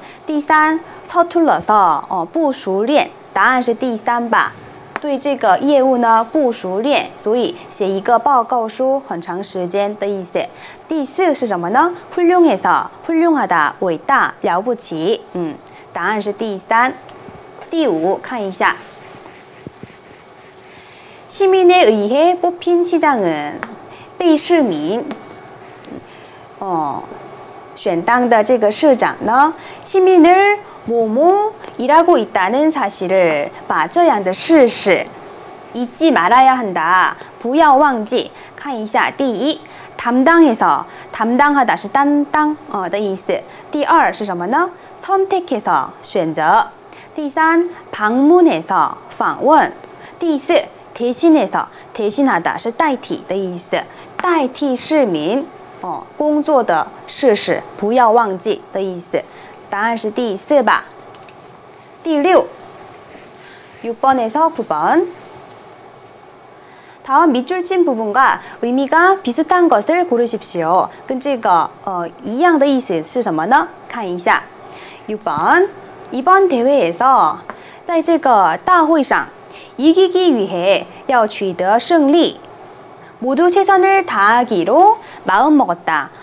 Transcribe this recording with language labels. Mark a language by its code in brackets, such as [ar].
[zh] 第三, 서툴러서, 不熟练, 答案是第三吧. 对这个业务呢,不熟练, 所以写一个报告书很长时间的意思. 第四是什么呢?훌륭해서, 훌륭하다, 伟大, 了不起, 答案是第三. 第五, 看一下. [ko] 시민에 의해 뽑힌 시장은, [zh] 被市民, 选当的这个市长呢, [ko] 시민을 뭐뭐 일하고 있다는 사실을, [zh] 把这样的事实, [ko] 잊지 말아야 한다, [zh] 不要忘记. 看一下, 第一, 담당해서, 담당하다是担当的意思. 第二是什么呢?선택해서, 选择. 第三, 방문해서, 访问. 第四, 대신해서, 대신하다是代替的意思. 代替市民, 工作的事实,不要忘记的意思,答案是第四吧. 第六, [ko] 6번에서 9번. 다음 밑줄 친 부분과 의미가 비슷한 것을 고르십시오. [zh] 跟这个一样的意思是什么呢? 看一下. [ko] 6번, 이번 대회에서, [zh] 在这个大会上, [ko] 이기기 위해 [zh] 要取得胜利, [ko] 모두 최선을 다하기로 마음 먹었다.